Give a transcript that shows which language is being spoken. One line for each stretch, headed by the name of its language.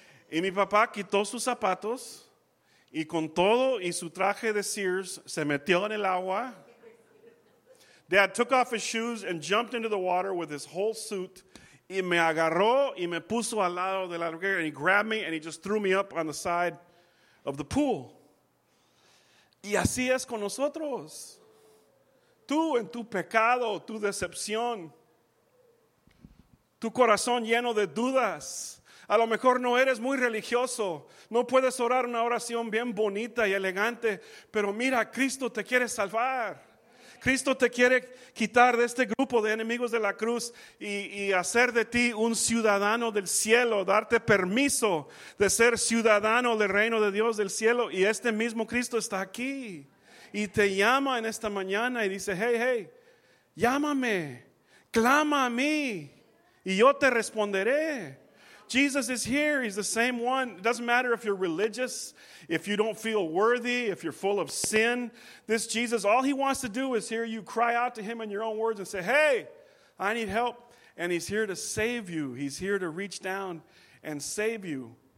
Spanish: Y mi papá quitó sus zapatos y con todo y su traje de Sears se metió en el agua.
English: Dad took off his shoes and jumped into the water with his whole suit.
Spanish: Y me agarró y me puso al lado de la alberca.
English: And he grabbed me and he just threw me up on the side of the pool.
Spanish: Y así es con nosotros. Tú en tu pecado, tu decepción, tu corazón lleno de dudas. A lo mejor no eres muy religioso, no puedes orar una oración bien bonita y elegante, pero mira, Cristo te quiere salvar. Cristo te quiere quitar de este grupo de enemigos de la cruz y hacer de ti un ciudadano del cielo, darte permiso de ser ciudadano del reino de Dios del cielo. Y este mismo Cristo está aquí. Y te llama en esta mañana y dice, hey, hey, llámame, clama a mí y yo te responderé.
English: Jesus is here, he's the same one. It doesn't matter if you're religious, if you don't feel worthy, if you're full of sin. This Jesus, all he wants to do is hear you cry out to him in your own words and say, hey, I need help. And he's here to save you. He's here to reach down and save you.